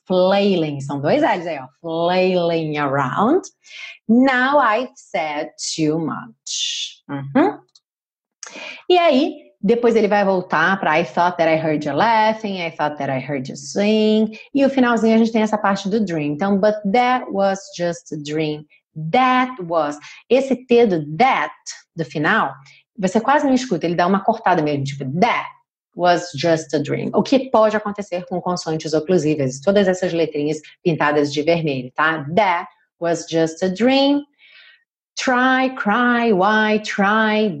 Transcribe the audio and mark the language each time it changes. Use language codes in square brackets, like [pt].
[pt] Flailing, são dois L's aí, ó. [en] Flailing around. Now I've said too much. [pt] E aí, depois ele vai voltar para [en] I thought that I heard you laughing, I thought that I heard you sing. [pt] E o finalzinho a gente tem essa parte do dream. [en] Então, but that was just a dream. That was. [pt] Esse T do that, do final, você quase não escuta, ele dá uma cortada mesmo, tipo that. [en] Was just a dream. [pt] O que pode acontecer com consoantes oclusivas? Todas essas letrinhas pintadas de vermelho, tá? [en] That was just a dream. Try, cry, why, try.